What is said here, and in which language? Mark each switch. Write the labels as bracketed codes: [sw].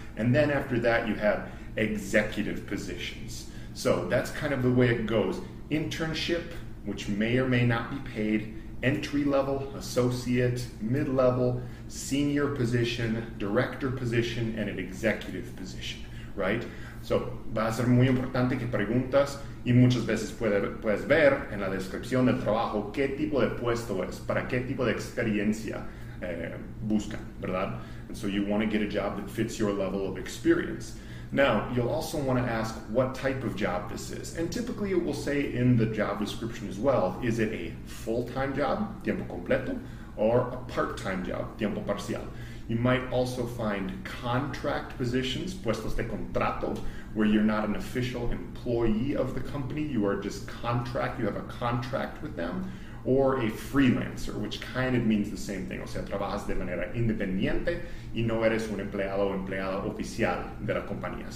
[en] And then after that, you have executive positions. So that's kind of the way it goes. Internship, which may or may not be paid, entry level, associate, mid level, senior position, director position, and an executive position, right? [es] So, va a ser muy importante que preguntas y muchas veces puedes ver en la descripción del trabajo qué tipo de puesto es, para qué tipo de experiencia buscan, ¿verdad? [en] And so you want to get a job that fits your level of experience. Now, you'll also want to ask what type of job this is. And typically it will say in the job description as well, is it a full-time job, [es] tiempo completo, [en] or a part-time job, [es] tiempo parcial? [en] You might also find contract positions, [es] puestos de contrato, [en] where you're not an official employee of the company, you are just contract, you have a contract with them, or a freelancer, which kind of means the same thing. [es] O sea, trabajas de manera independiente y no eres un empleado o empleada oficial de la compañía.